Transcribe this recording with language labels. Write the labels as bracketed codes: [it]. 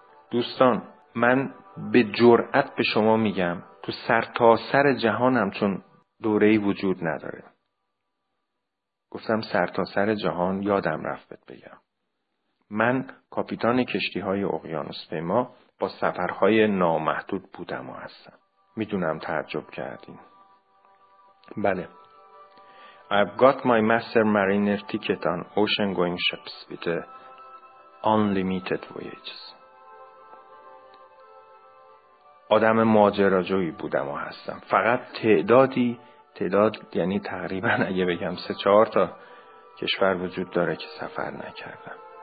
[fa] دوستان، من به جرأت به شما میگم تو سر تا سر جهان همچون دوره‌ای وجود نداره. گفتم سر تا سر جهان، یادم رفت بهت بگم. من کاپیتان کشتی های اقیانوس پیما با سفرهای نامحدود بودم و هستم. میدونم تعجب کردیم. بله. [en] I've got my master mariner ticket on ocean going ships with unlimited voyages. [fa] آدم ماجراجویی بودم و هستم. فقط تعداد یعنی تقریبا اگه بگم 3-4 تا کشور وجود داره که سفر نکردم.